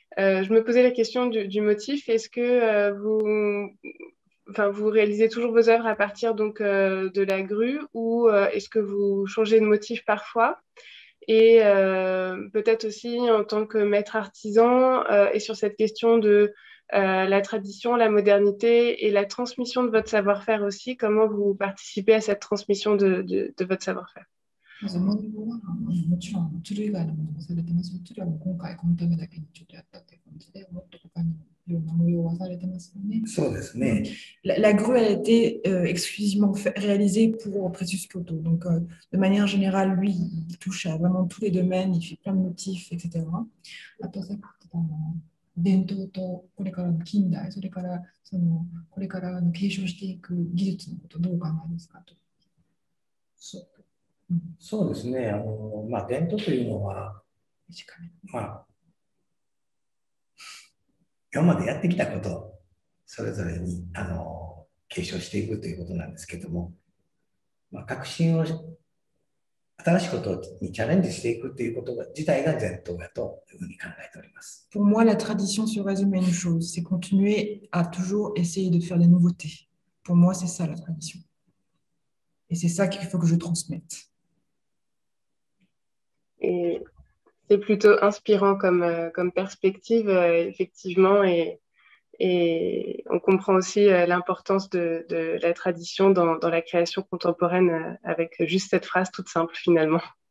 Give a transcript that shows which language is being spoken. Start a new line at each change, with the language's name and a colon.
French: Je me posais la question du motif. Est-ce que vous réalisez toujours vos œuvres à partir donc de la grue ou est-ce que vous changez de motif parfois? Et peut-être aussi en tant que maître artisan et sur cette question de la tradition, la modernité et la transmission de votre savoir-faire aussi, comment vous participez à cette transmission de votre savoir-faire?
Japanese: もちろん、種類以外のものもされてます。種類は今回、このためだけにちょっとやったって感じで、もっと他にいろんな模様はされてますよね。そうですね。
French: La grue a été exclusivement réalisée pour Précieuse Kyoto. Donc, de manière générale, lui, il touche à vraiment tous les domaines, il fait plein de motifs, etc.
Japanese: あとさ、伝統とこれからの近代、それからそのこれから継承していく技術のこと、どう考えますかと。そう。そうですね。まあ、伝統というのは、まあ、今までやってきたことそれぞれに継承していくということなんですけども、まあ、革新を新しいことにチャレンジしていくということ自体が伝統だというふうに考えております。
French: Pour moi, la tradition se résume à une chose, c'est continuer à toujours essayer de faire des nouveautés. Pour moi, c'est ça la tradition. Et c'est ça qu'il faut que je transmette. Et c'est plutôt inspirant comme perspective, effectivement, et on comprend aussi l'importance de la tradition dans la création contemporaine avec juste cette phrase toute simple, finalement.